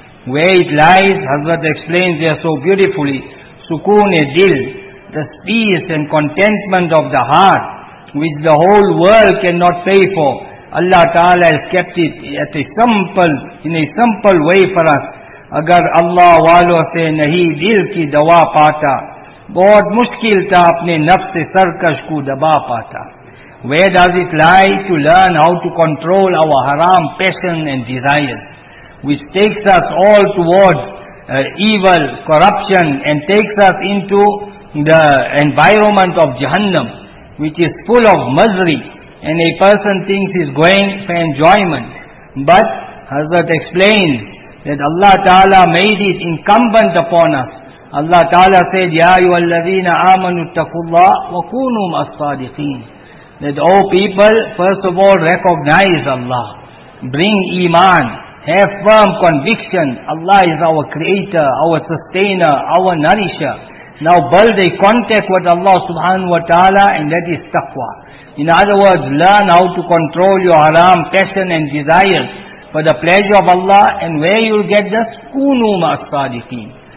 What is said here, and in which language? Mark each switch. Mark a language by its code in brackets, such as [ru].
[en] Where it lies, Hazrat explains there so beautifully, sukoon e dil, the peace and contentment of the heart, which the whole world cannot pay for. Allah Ta'ala has kept it at a simple, in a simple way for us. [ur] اگر اللہ والوں سے نہیں دل کی دوا پاتا, بہت مشکل تھا اپنے نفس سرکش کو دبا پاتا. [en] Where does it lie? To learn how to control our haram passion and desires, which takes us all towards evil, corruption, and takes us into the environment of Jahannam, which is full of misery, and a person thinks he's going for enjoyment. But Hazrat explained that Allah Ta'ala made it incumbent upon us. Allah Ta'ala said, [ar] يَا أَيُّهَا الَّذِينَ آمَنُوا اتَّقُوا اللَّهَ وَكُونُوا مَعَ الصَّادِقِينَ. [en] That, O people, first of all, recognize Allah. Bring iman. Have firm conviction. Allah is our creator, our sustainer, our nourisher. Now build a contact with Allah Subhanahu Wa Ta'ala, and that is taqwa. In other words, learn how to control your haram passion and desires for the pleasure of Allah, and where you'll get this, [ar] kunu ma'as-sadiqeen.